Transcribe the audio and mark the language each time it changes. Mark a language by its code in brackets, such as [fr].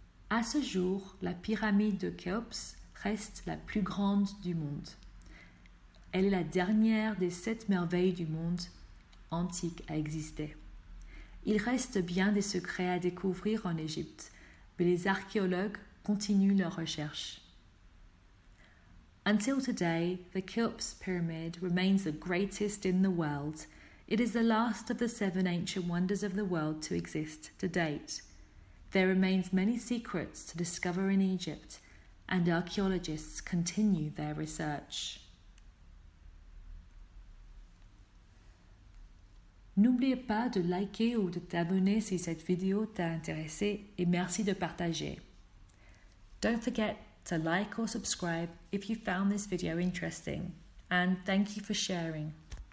[fr] À ce jour, la pyramide de Khéops reste la plus grande du monde. Elle est la dernière des 7 merveilles du monde antique à exister. Il reste bien des secrets à découvrir en Égypte, mais les archéologues continuent leurs recherches. [en] Until today, the Khéops pyramid remains the greatest in the world. It is the last of the seven ancient wonders of the world to exist to date. There remains many secrets to discover in Egypt, and archaeologists continue their research. [fr] N'oubliez pas de liker ou de t'abonner si cette vidéo t'a intéressé et merci de partager. [en] Don't forget to like or subscribe if you found this video interesting. And thank you for sharing.